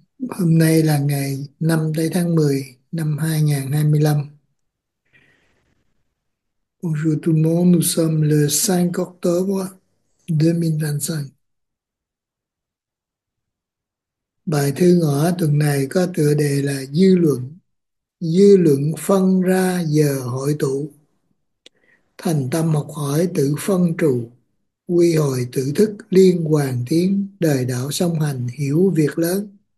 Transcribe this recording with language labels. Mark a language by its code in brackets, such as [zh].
[vi] Hôm nay là ngày 5 tây tháng 10 năm 2025. [fr] Bonjour tout le monde, nous sommes le 5 octobre 2025. [vi] Bài thơ ngữ tuần này có tựa đề là Dư luận. Dư luận phân ra giờ hội tụ. Thành tâm học hỏi tự phân trù. Quy hồi tự thức liên hoàn tiếng đời đạo song hành hiểu việc lớn.